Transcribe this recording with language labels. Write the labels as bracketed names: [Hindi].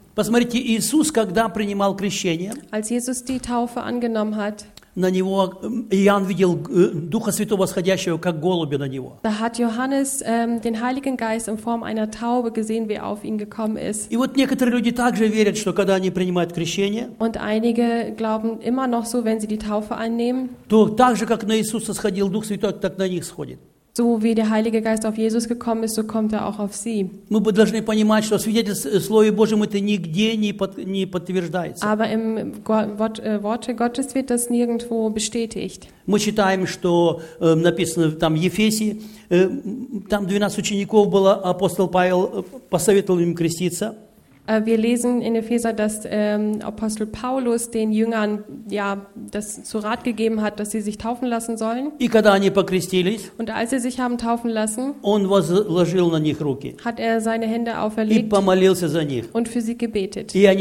[Russian] Посмотрите, Иисус, когда принимал крещение, [German] als Jesus die Taufe angenommen hat, [Russian] на него Иоанн видел Духа Святого сходящего как голубя на него. [German] Da hat Johannes den Heiligen Geist in Form einer Taube gesehen, wie er auf ihn gekommen ist. [Russian] И вот некоторые люди также верят, что когда они принимают крещение, [German] und einige glauben immer noch so, wenn sie die Taufe annehmen, [Russian] то так же, как на Иисуса сходил Дух Святой, так на них сходит. [German] So wie der Heilige Geist auf Jesus gekommen ist, so kommt er auch auf sie. [Russian] Мы должны понимать, что свидетельство Слова Божьего это нигде не подтверждается. [German] Aber im Worte Gottes wird das nirgendwo bestätigt. [Russian] Мы читаем, что написано там в Ефесе, там 12 учеников было, апостол Павел посоветовал им креститься. [German] Wir lesen in Epheser, dass Apostel Paulus den Jüngern ja, das zu Rat gegeben hat, dass sie sich taufen lassen sollen. Und als sie sich haben taufen lassen, hat er seine Hände auferlegt und für sie gebetet.